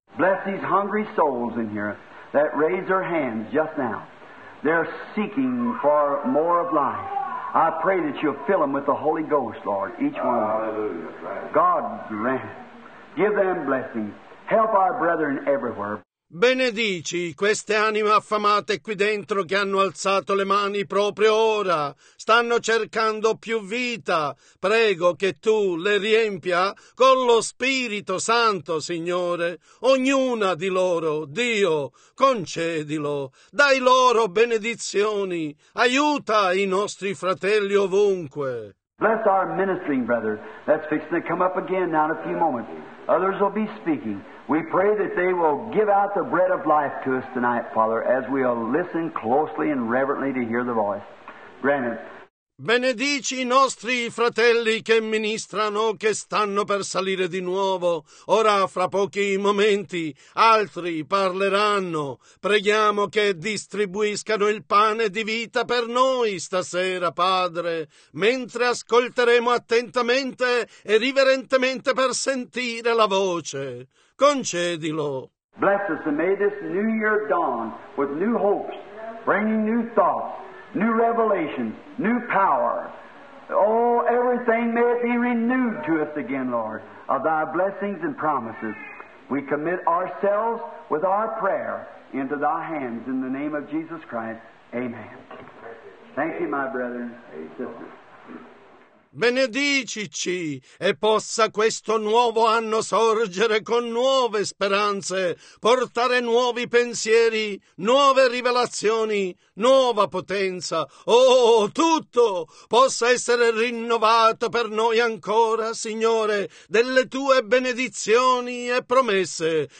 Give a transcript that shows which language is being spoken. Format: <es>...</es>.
<en>Bless these hungry souls in here that raise their hands just now. They're seeking for more of life. I pray that you'll fill them with the Holy Ghost, Lord, each one of them. God grant. Give them blessing. Help our brethren everywhere.</en> <it>Benedici queste anime affamate qui dentro che hanno alzato le mani proprio ora. Stanno cercando più vita. Prego che tu le riempia con lo Spirito Santo, Signore. Ognuna di loro, Dio, concedilo. Dai loro benedizioni. Aiuta i nostri fratelli ovunque.</it> <en>Bless our ministering brothers. That's fixing to come up again now in a few moments. Others will be speaking. We pray that they will give out the bread of life to us tonight, Father, as we will listen closely and reverently to hear the voice. Grant it.</en> <it>Benedici i nostri fratelli che ministrano, che stanno per salire di nuovo. Ora, fra pochi momenti, altri parleranno. Preghiamo che distribuiscano il pane di vita per noi stasera, Padre, mentre ascolteremo attentamente e riverentemente per sentire la voce. Concedilo.</it> <en>Bless us and may this new year dawn with new hopes, bringing new thoughts, new revelation, new power. Oh, everything may it be renewed to us again, Lord, of thy blessings and promises. We commit ourselves with our prayer into thy hands in the name of Jesus Christ. Amen. Thank you, my brethren and sisters.</en> <it>Benedicici e possa questo nuovo anno sorgere con nuove speranze, portare nuovi pensieri, nuove rivelazioni, nuova potenza. Oh, tutto possa essere rinnovato per noi ancora, Signore, delle Tue benedizioni e promesse.</it>